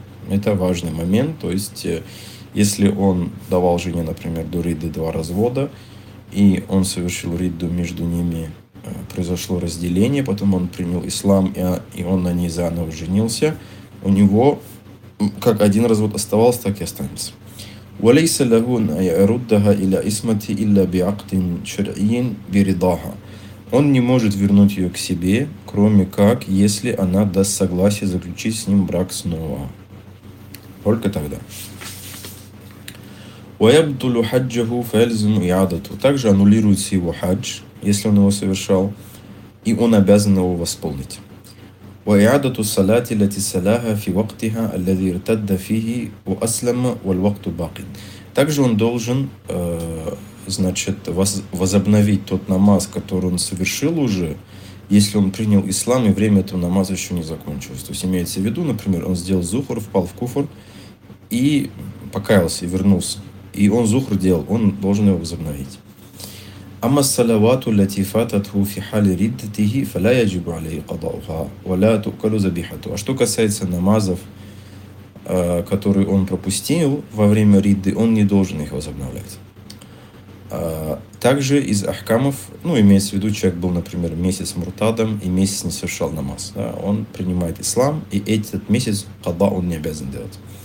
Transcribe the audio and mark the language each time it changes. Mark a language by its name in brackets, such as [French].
[Russian] Это важный момент, то есть если он давал жене, например, до ридды два развода, и он совершил ридду, между ними произошло разделение, потом он принял ислам, и он на ней заново женился, у него как один развод оставался, так и останется. [Arabic] وليس له أن يردها إلى اسمتي إلا بعقد شرعي برضاها. [Russian] Он не может вернуть ее к себе, кроме как если она даст согласие заключить с ним брак снова. Только тогда. [Arabic] ويبطل حجه فيلزم إعادته. [Russian] Также аннулируется его хадж, если он его совершал, и он обязан его восполнить. [Arabic] وإعادة الصلاة التي صلاها في وقتها الذي ارتد فيه وأسلم والوقت باق. [Russian] Также он должен, значит, возобновить тот намаз, который он совершил уже, если он принял ислам и время этого намаза еще не закончилось. То есть имеется в виду, например, он сделал зухр, впал в куфр и покаялся, и вернулся. И он зухр делал, он должен его возобновить. [Arabic] أما الصلوات التي فاتته في حال ردته فلا يجب عليه قضاؤها ولا تؤكل ذبيحته. [Russian] А что касается намазов, которые он пропустил во время ридды, он не должен их возобновлять. Также из ахкамов, ну, имеется в виду, человек был, например, месяц муртадом и месяц не совершал намаз, да, он принимает ислам, и этот месяц кадда он не обязан делать.